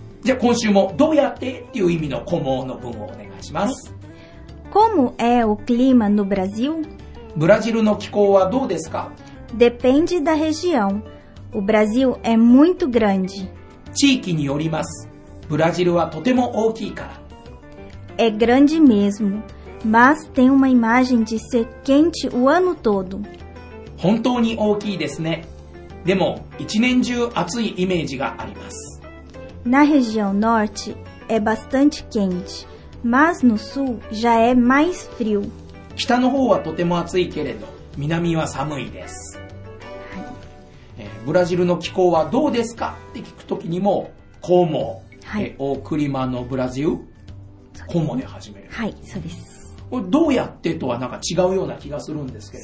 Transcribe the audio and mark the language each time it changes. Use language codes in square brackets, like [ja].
[ja] じゃあ今週もどうやってっていう意味のコモの文をお願いします。はい、 [pt] Como é o clima no Brasil? [ja] ブラジルの気候はどうですか。 [pt] Depende da região。 O Brasil é muito grande. [ja] 地域によります。ブラジルはとても大きいから。 [pt] É grande mesmo, mas tem uma imagem de ser quente o ano todo. [ja] 本当に大きいですね。でも、一年中暑いイメージがあります。 [pt] Na região norte é bastante quente, mas no sul já é mais frio. [ja] 北の方はとても暑いけれど、南は寒いです。ブラジルの気候はどうですかって聞くときにも、コモ、はい、オクリマのブラジル、コモで始める。はい、そうです。これどうやってとはなんか違うような気がするんですけど。